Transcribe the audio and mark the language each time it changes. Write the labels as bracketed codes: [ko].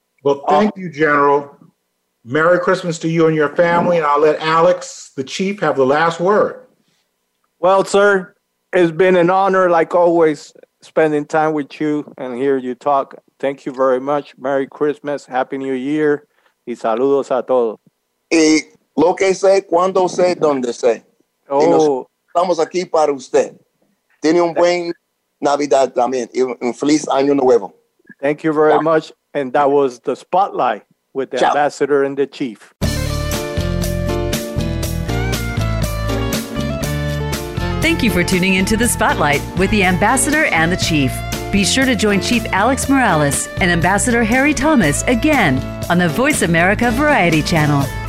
[en] Well, thank you, General. Merry Christmas to you and your family. And I'll let Alex, the chief, have the last word. Well, sir, it's been an honor, like always, spending time with you and hear you talk. Thank you very much. Merry Christmas. Happy New Year. [es] Y saludos a todos. Y lo que sé, cuando sé, donde sé. Oh. Estamos aquí para usted. Tiene un buen Navidad también. Y un feliz año nuevo. [en] Thank you very much. And that was the spotlight with the ambassador and the chief. Thank you for tuning into the spotlight with the ambassador and the chief. Be sure to join Chief Alex Morales and Ambassador Harry Thomas again on the Voice America Variety Channel.